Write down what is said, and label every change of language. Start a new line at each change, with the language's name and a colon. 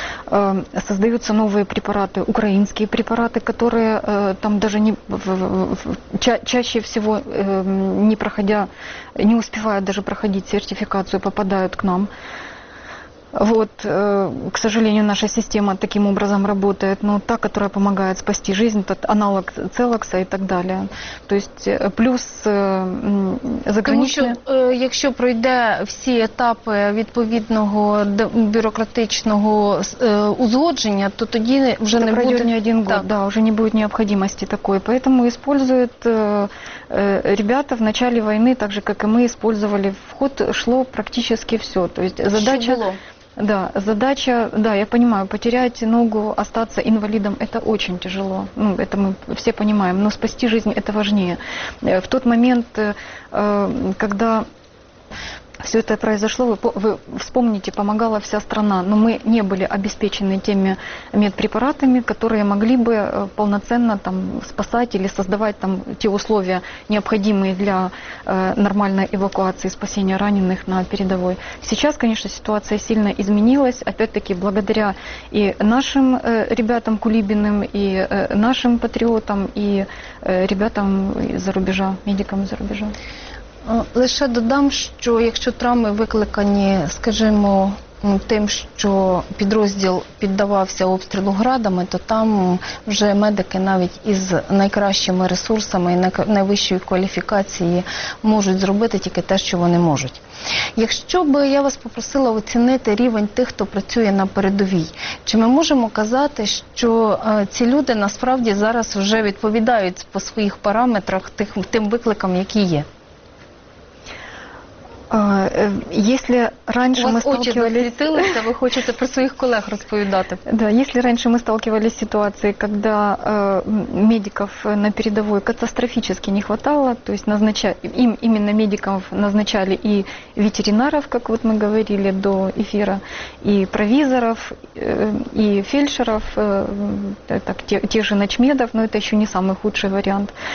Russian: Создаются новые препараты, украинские препараты, которые там даже не, чаще всего не проходя, не успевая даже проходить сертификацию, попадают к нам. Вот, к сожалению, наша система таким образом работает, но та, которая помогает спасти жизнь, этот аналог Целокса и так далее. То есть плюс заграничные...
Ukrainian: Тому що, якщо пройде всі етапи відповідного бюрократичного узгодження, то тоді вже це не буде...
Russian: Не один год, да,
Ukrainian: вже не буде необхідності такої.
Russian: Поэтому используют ребята в начале войны, так же, как и мы использовали, в ход шло практически все. То есть задача... Да, задача, да, я понимаю, потерять ногу, остаться инвалидом, это очень тяжело, ну, это мы все понимаем, но спасти жизнь это важнее. В тот момент, когда все это произошло, вы вспомните, помогала вся страна, но мы не были обеспечены теми медпрепаратами, которые могли бы полноценно там спасать или создавать там те условия, необходимые для нормальной эвакуации, спасения раненых на передовой. Сейчас, конечно, ситуация сильно изменилась, опять-таки, благодаря и нашим ребятам Кулибиным, и нашим патриотам, и ребятам за рубежа, медикам за рубежа.
Ukrainian: Лише додам, що якщо травми викликані, скажімо, тим, що підрозділ піддавався обстрілу градами, то там вже медики навіть із найкращими ресурсами і найвищої кваліфікації можуть зробити тільки те, що вони можуть. Якщо би я вас попросила оцінити рівень тих, хто працює на передовій, чи ми можемо казати, що ці люди насправді зараз вже відповідають по своїх параметрах тим викликам, які є?
Russian: Если раньше мы сталкивались, вы хотите про своих коллег рассказывать? Да, если раньше мы сталкивались с ситуацией, когда медиков на передовой катастрофически не хватало, то есть назначали им именно медиков назначали и ветеринаров, как вот мы говорили до эфира, и провизоров, и фельдшеров, так тех же ночмедов, но это еще не самый худший вариант.